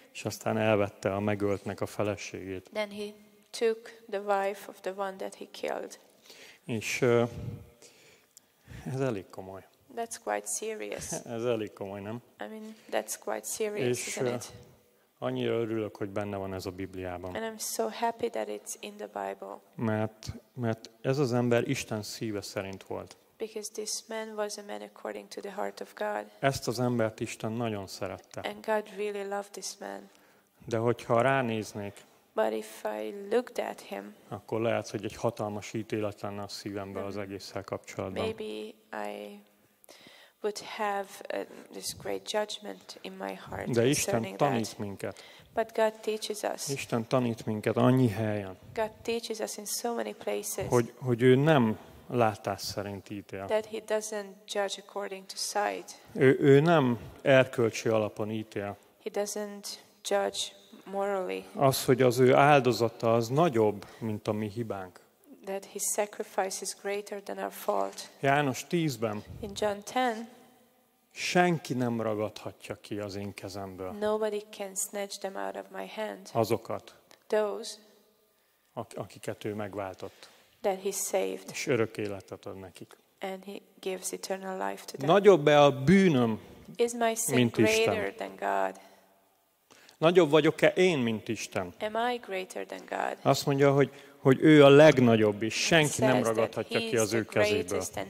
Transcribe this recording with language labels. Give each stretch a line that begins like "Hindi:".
Hungarian: És aztán elvette a megöltnek a feleségét.
English: Then he took the wife of the one that he killed.
Hungarian: És ez elég komoly.
English: That's quite serious.
Hungarian: Ez elég komoly, nem?
English: I mean, that's quite serious,
Hungarian: és,
English: isn't it?
Hungarian: Annyira örülök, hogy benne van ez a Bibliában.
English: And I'm so happy that it's in the Bible.
Hungarian: Mert ez az ember Isten szíve szerint volt.
English: Because this man was a man according to the heart of God.
Hungarian: Ezt az embert Isten nagyon szerette.
English: And God really loved this man.
Hungarian: De hogyha ránéznék,
English: but if I looked at him,
Hungarian: akkor lehet, hogy egy hatalmas ítélet lenne a szívemben az egésszel kapcsolatban.
English: Maybe I would have this great judgment in my heart.
Hungarian: De Isten tanít minket.
English: But God teaches us.
Hungarian: Isten tanít minket annyi helyen.
English: God teaches us in so many places.
Hungarian: Hogy ő nem látás szerint ítél.
English: That he doesn't judge according to sight.
Hungarian: Ő nem erkölcsi alapon ítél.
English: He doesn't judge morally.
Hungarian: Az, hogy az ő áldozata az nagyobb, mint a mi hibánk.
English: That his sacrifice is greater than our fault.
Hungarian: János 10-ben.
English: In John 10.
Hungarian: Senki nem ragadhatja ki az én kezemből.
English: Nobody can snatch them out of my hand.
Hungarian: Azokat.
English: Those.
Hungarian: Akiket ő megváltott.
English: That he saved.
Hungarian: És örök életet ad nekik.
English: And he gives eternal life to them.
Hungarian: Nagyobb-e a bűnöm,
English: is my sin greater than God?
Hungarian: Nagyobb vagyok-e én, mint Isten?
English: Am I greater than God?
Hungarian: Azt mondja, hogy ő a legnagyobb, és senki nem ragadhatja ki az ő kezéből.